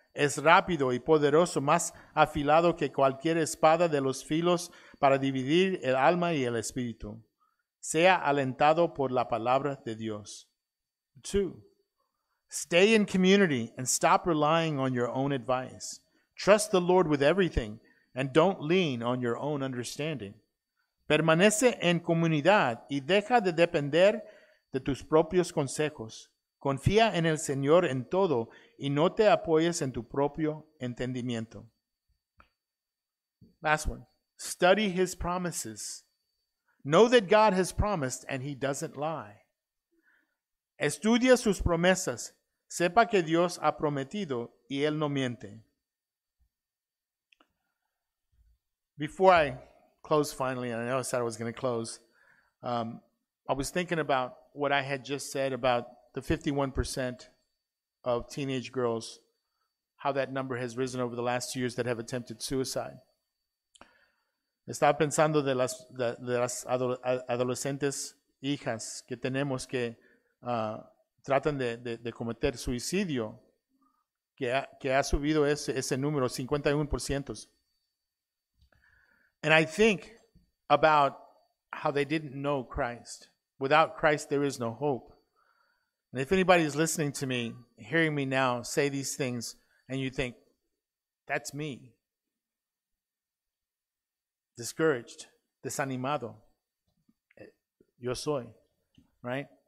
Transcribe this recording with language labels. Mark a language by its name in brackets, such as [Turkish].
[Spanish] Es rápido y poderoso, más afilado que cualquier espada de los filos para dividir el alma y el espíritu. Sea alentado por la palabra de Dios. [English] Two, stay in community and stop relying on your own advice. Trust the Lord with everything and don't lean on your own understanding. [Spanish] Permanece en comunidad y deja de depender de tus propios consejos. Confía en el Señor en todo y no te apoyes en tu propio entendimiento. [English] Last one. Study His promises. Know that God has promised and He doesn't lie. [Spanish] Estudia sus promesas. Sepa que Dios ha prometido y Él no miente. [English] Before I close finally, and I know I said I was going to close, I was thinking about what I had just said about the 51% of teenage girls, how that number has risen over the last 2 years that have attempted suicide. [Spanish] Estaba pensando de las adolescentes hijas que tenemos que tratan de cometer suicidio, que ha subido ese número, 51%. [English] And I think about how they didn't know Christ. Without Christ, there is no hope. And if anybody is listening to me, hearing me now say these things, and you think, that's me, discouraged, [Spanish] desanimado, yo soy, [English] right?